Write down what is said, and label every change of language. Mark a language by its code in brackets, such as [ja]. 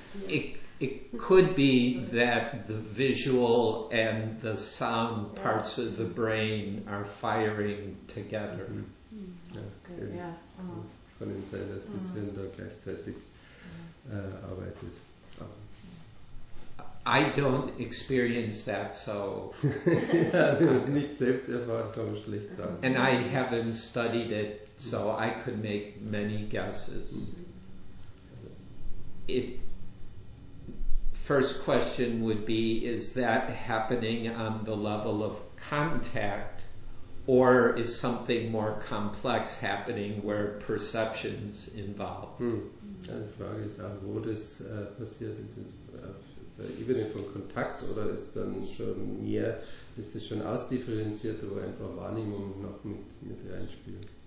[en] it could be that the visual and the sound parts of the brain are firing together. Mm-hmm. Yeah, okay. Yeah. Uh-huh. [de] Von dem Sein, dass das Hirn da gleichzeitig arbeitet. [en] I don't experience that, so. [de] Ja, das ist nicht selbst erfahren, kann man schlecht sagen. [en] And I haven't studied it, so I could make many guesses. First question would be, is that happening on the level of contact, or is something more complex happening where perception's involved? Hm. [de] Ja, die Frage ist auch, wo das passiert. Ist es auf der Ebene von Kontakt oder ist dann schon mehr, ist das schon ausdifferenziert, wo einfach Wahrnehmung noch mit reinspielt?